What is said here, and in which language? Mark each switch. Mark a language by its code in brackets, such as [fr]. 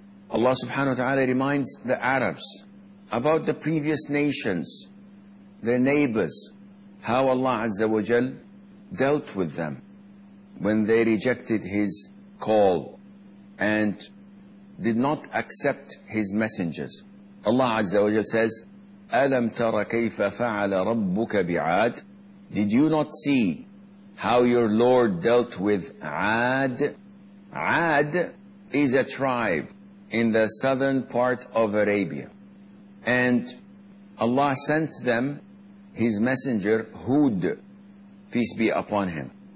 [en] Allah subhanahu wa ta'ala reminds the Arabs about the previous nations, their neighbors, how Allah Azza wa Jal dealt with them when they rejected His call and did not accept His messengers. [ar] Allah Azza wa Jal [en] says, [ar] أَلَمْ تَرَ كَيْفَ فَعَلَ رَبُّكَ بِعَادٍ. [en] Did you not see how your Lord dealt with Aad? Aad is a tribe in the southern part of Arabia. And Allah sent them His messenger Hud, peace be upon him.